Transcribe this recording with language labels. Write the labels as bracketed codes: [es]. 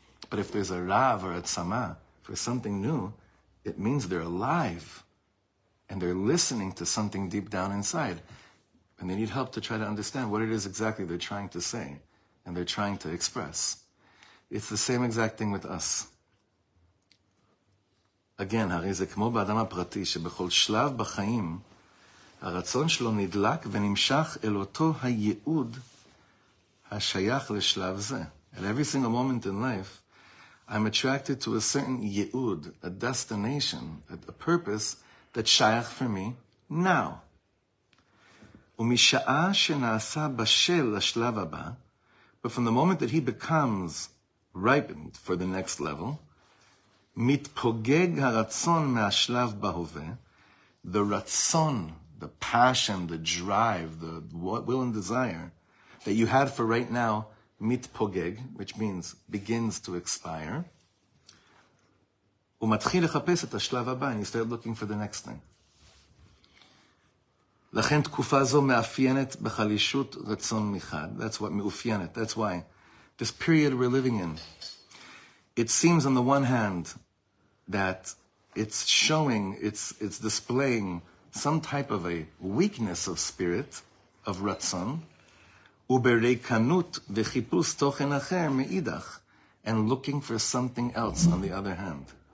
[en] But if there's a rav or a tzama for something new, it means they're alive and they're listening to something deep down inside. And they need help to try to understand what it is exactly they're trying to say and they're trying to express. It's the same exact thing with us. Again, [he] הרי זה כמו באדם הפרטי שבכל שלב בחיים הרצון שלו נדלק ונמשך אל אותו הייעוד השייך לשלב זה. [en] At every single moment in life, I'm attracted to a certain ייעוד, a destination, a purpose that שייך for me now. [he] ומשעה שנעשה בשל לשלב הבא, [en] but from the moment that he becomes ripened for the next level, [he] מתפוגג הרצון מהשלב בהווה, [en] the רצון, the passion, the drive, the will and desire that you had for right now, מתפוגג, which means begins to expire, [he] ומתחיל לחפש את השלב הבא, [en] and you start looking for the next thing. [he] לכן תקופה זו מאפיינת בחלישות רצון מחד. [en] That's what מאופיינת, that's why. This period we're living in, it seems on the one hand that it's showing, it's displaying some type of a weakness of spirit, of ratzon, [he] uberekanut v'chipus tochen acher meidach, [en] and looking for something else on the other hand.